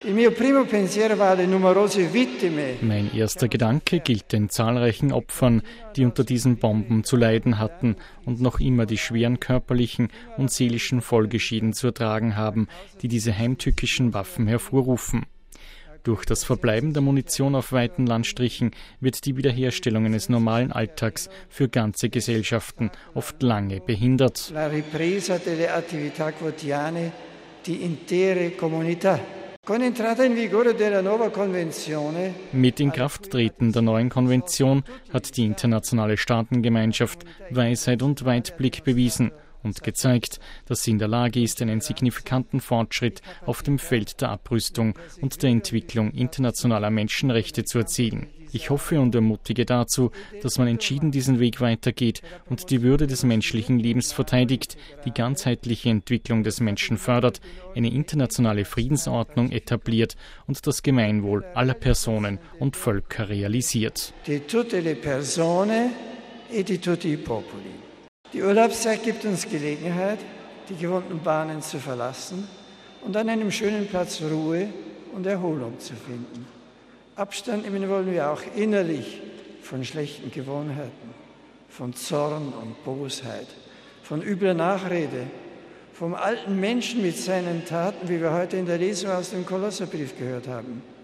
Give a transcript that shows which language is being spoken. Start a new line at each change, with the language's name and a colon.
Italian: Il mio primo pensiero va alle numerose vittime.
German: Mein erster Gedanke gilt den zahlreichen Opfern, die unter diesen Bomben zu leiden hatten und noch immer die schweren körperlichen und seelischen Folgeschäden zu ertragen haben, die diese heimtückischen Waffen hervorrufen. Durch das Verbleiben der Munition auf weiten Landstrichen wird die Wiederherstellung eines normalen Alltags für ganze Gesellschaften oft lange behindert.
Italian: La ripresa delle attività quotidiane di intere comunità.
German: Mit Inkrafttreten der neuen Konvention hat die internationale Staatengemeinschaft Weisheit und Weitblick bewiesen und gezeigt, dass sie in der Lage ist, einen signifikanten Fortschritt auf dem Feld der Abrüstung und der Entwicklung internationaler Menschenrechte zu erzielen. Ich hoffe und ermutige dazu, dass man entschieden diesen Weg weitergeht und die Würde des menschlichen Lebens verteidigt, die ganzheitliche Entwicklung des Menschen fördert, eine internationale Friedensordnung etabliert und das Gemeinwohl aller Personen und Völker realisiert.
Italian: Die tutte le persone e di tutti i popoli.
German: Die Urlaubszeit gibt uns Gelegenheit, die gewohnten Bahnen zu verlassen und an einem schönen Platz Ruhe und Erholung zu finden. Abstand nehmen wollen wir auch innerlich von schlechten Gewohnheiten, von Zorn und Bosheit, von übler Nachrede, vom alten Menschen mit seinen Taten, wie wir heute in der Lesung aus dem Kolosserbrief gehört haben.